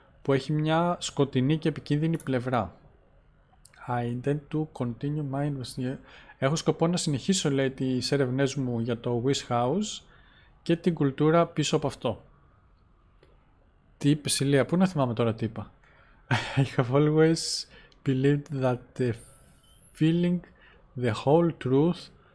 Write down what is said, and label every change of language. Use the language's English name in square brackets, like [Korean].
[Greek] Που έχει μια σκοτεινή και επικίνδυνη πλευρά. [English] I intend to continue my investigation. [Greek] Έχω σκοπό να συνεχίσω, λέει, τις έρευνές μου για το Wish House και την κουλτούρα πίσω από αυτό. Τι είπε η Λία, πού να θυμάμαι τώρα τι είπα. [English] I have always believed that feeling the whole truth.